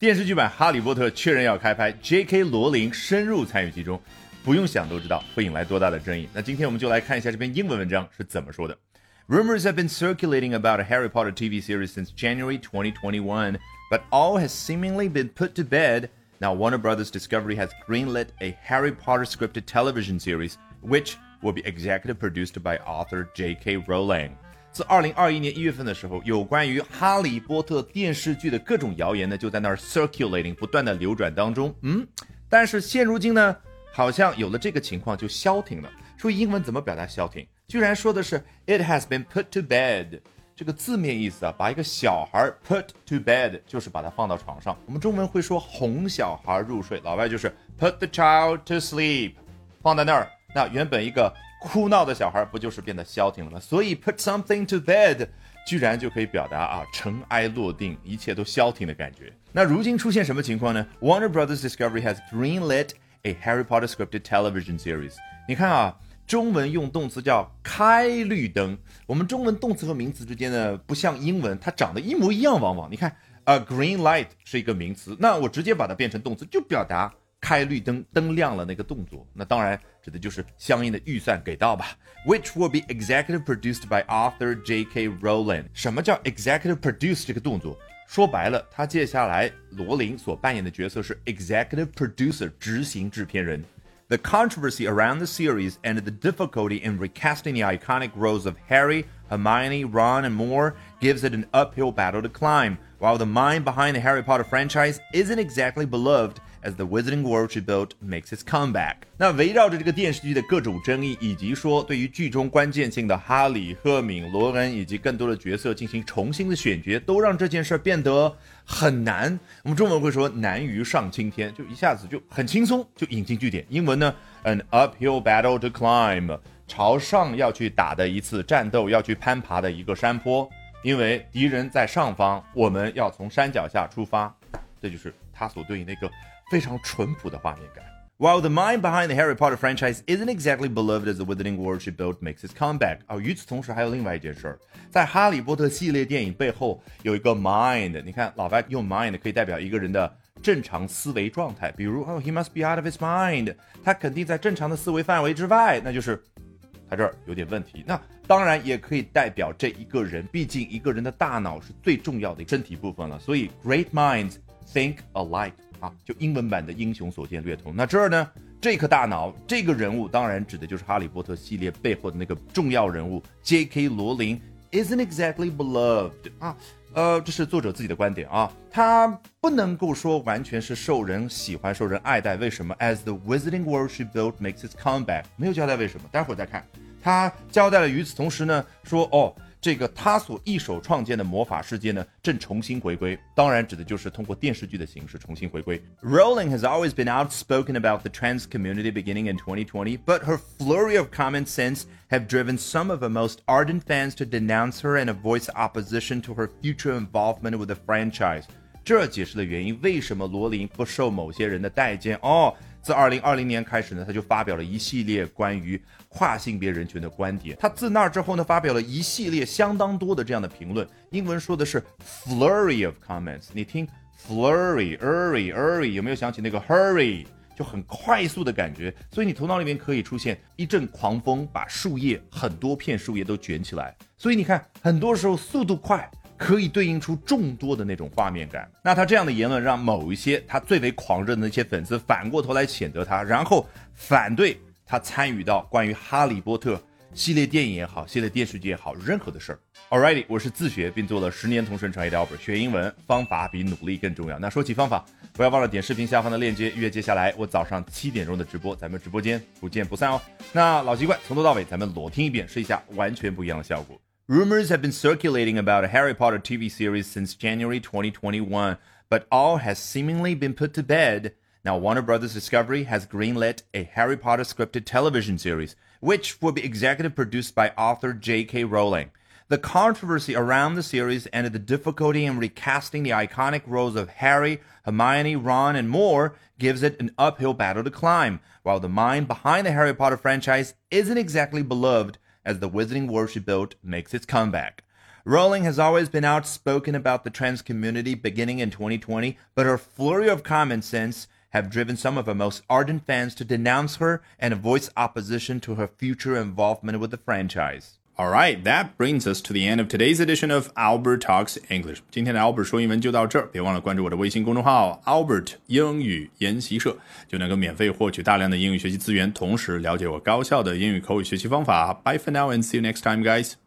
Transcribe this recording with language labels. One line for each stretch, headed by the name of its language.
Chinese: 电视剧版《哈利波特》确认要开拍 ，J.K. 罗琳深入参与其中，不用想都知道会引来多大的争议。那今天我们就来看一下这篇英文文章是怎么说的。
English: Rumors have been circulating about a Harry Potter TV series since January 2021, but all has seemingly been put to bed. Now Warner Brothers Discovery has greenlit a Harry Potter scripted television series, which will be executive produced by author J.K. Rowling.
Chinese: 自2021年1月份的时候，有关于《哈利波特》电视剧的各种谣言呢，就在那儿 circulating 不断的流转当中。嗯，但是现如今呢，好像有了这个情况就消停了。说英文怎么表达消停？居然说的是
English: it has been put to bed。
Chinese: 这个字面意思啊，把一个小孩
English: put to bed
Chinese: 就是把它放到床上。我们中文会说哄小孩入睡，老外就是
English: put the child to sleep，
Chinese: 放在那儿。那原本一个哭闹的小孩不就是变得消停了吗？所以
English: put something to bed
Chinese: 居然就可以表达啊尘埃落定，一切都消停的感觉。那如今出现什么情况呢？
English: Warner Brothers Discovery has greenlit a Harry Potter scripted television series。
Chinese: 你看啊，中文用动词叫开绿灯，我们中文动词和名词之间呢不像英文，它长得一模一样。往往你看
English: a green light
Chinese: 是一个名词，那我直接把它变成动词，就表达开绿灯，灯亮了那个动作，那当然指的就是相应的预算给到吧。
English: Which will be executive produced by author J.K. Rowling。
Chinese: 什么叫
English: executive produce
Chinese: 这个动作？说白了，他接下来罗琳所扮演的角色是
English: executive producer，
Chinese: 执行制片人。
English: The controversy around the series and the difficulty in recasting the iconic roles of Harry, Hermione, Ron and more gives it an uphill battle to climb. While the mind behind the Harry Potter franchise isn't exactly belovedAs the Wizarding World she built makes its comeback.
Chinese: 那围绕着这个电视剧的各种争议，以及说对于剧中关键性的哈利、赫敏、罗恩以及更多的角色进行重新的选角，都让这件事变得很难。我们中文会说难于上青天，就一下子就很轻松就引经据典。英文呢 ，
English: an uphill battle to climb，
Chinese: 朝上要去打的一次战斗，要去攀爬的一个山坡。因为敌人在上方，我们要从山脚下出发。这就是他所对应那个非常淳朴的画面感。
English: While the mind behind the Harry Potter franchise isn't exactly beloved as the Wizarding World she built makes its comeback.
Chinese: 啊，与此同时还有另外一件事，在哈利波特系列电影背后有一个 mind。你看，老外用 mind 可以代表一个人的正常思维状态，比如
English: he must be out of his mind，
Chinese: 他肯定在正常的思维范围之外，那就是他这儿有点问题。那当然也可以代表这一个人，毕竟一个人的大脑是最重要的身体部分了。所以
English: great minds think alike。
Chinese: 啊，就英文版的英雄所见略同。那这儿呢，这颗大脑，这个人物当然指的就是哈利波特系列背后的那个重要人物 J.K. 罗琳
English: isn't exactly beloved
Chinese: 啊，这是作者自己的观点啊，他不能够说完全是受人喜欢受人爱戴。为什么
English: as the Wizarding World she built makes its comeback，
Chinese: 没有交代为什么，待会儿再看。他交代了与此同时呢，说哦，这个他所一手创建的魔法世界呢正重新回归，当然指的就是通过电视剧的形式重新回归。
English: Rowling has always been outspoken about the trans community beginning in 2020, but her flurry of comments since have driven some of her most ardent fans to denounce her and voice opposition to her future involvement with the franchise.
Chinese: 这解释了原因，为什么罗琳不受某些人的待见。哦，自2020年开始呢，他就发表了一系列关于跨性别人群的观点。他自那之后呢，发表了一系列相当多的这样的评论。英文说的是
English: flurry of comments，
Chinese: 你听 flurry 有没有想起那个 hurry， 就很快速的感觉。所以你头脑里面可以出现一阵狂风把树叶，很多片树叶都卷起来。所以你看，很多时候速度快可以对应出众多的那种画面感。那他这样的言论让某一些他最为狂热的那些粉丝反过头来谴责他，然后反对他参与到关于哈利波特系列电影也好，系列电视剧也好，任何的事儿。 Alrighty， 我是自学并做了10年同声传译的 Albert， 学英文方法比努力更重要。那说起方法，不要忘了点视频下方的链接预约接下来我早上7点的直播，咱们直播间不见不散哦。那老习惯，从头到尾咱们裸听一遍，试一下完全不一样的效果。
English: Rumors have been circulating about a Harry Potter TV series since January 2021, but all has seemingly been put to bed. Now Warner Brothers Discovery has greenlit a Harry Potter scripted television series, which will be executive produced by author J.K. Rowling. The controversy around the series and the difficulty in recasting the iconic roles of Harry, Hermione, Ron, and more gives it an uphill battle to climb. While the mind behind the Harry Potter franchise isn't exactly beloved,As the Wizarding World she built makes its comeback. Rowling has always been outspoken about the trans community beginning in 2020, but her flurry of comments since have driven some of her most ardent fans to denounce her and voice opposition to her future involvement with the franchise. All right, that brings us to the end of today's edition of Albert Talks English.
Chinese: 今天的 Albert 说英文就到这儿，别忘了关注我的微信公众号 Albert 英语研习社，就能够免费获取大量的英语学习资源，同时了解我高效的英语口语学习方法。
English: Bye for now and see you next time, guys.